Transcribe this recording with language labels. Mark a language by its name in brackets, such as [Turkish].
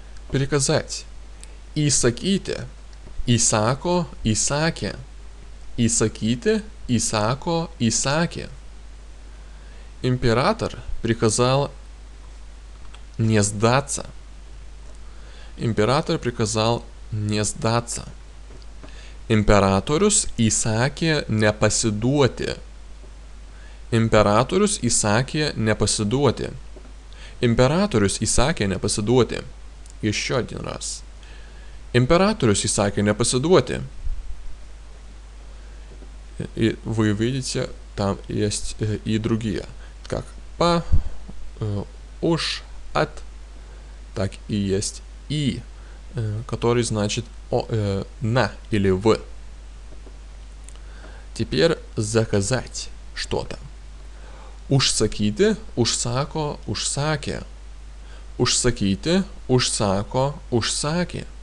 [Russian] Переказать. «Исаките», «исако», «исаке», «исаките», Исако, Исаке. Император приказал не сдаться. Император приказал не сдаться. [Lithuanian] Imperatorius įsakė nepasiduoti. Imperatorius įsakė nepasiduoti. Imperatorius įsakė nepasiduoti. Iš šio dienos. Imperatorius įsakė nepasiduoti. [Russian] И вы видите, там есть и другие. Как по, уж, от, так и есть и, который значит о, на или в. Теперь заказать что-то. [Lithuanian] Užsakyti, užsako, užsakė. Užsakyti, užsako, užsakė.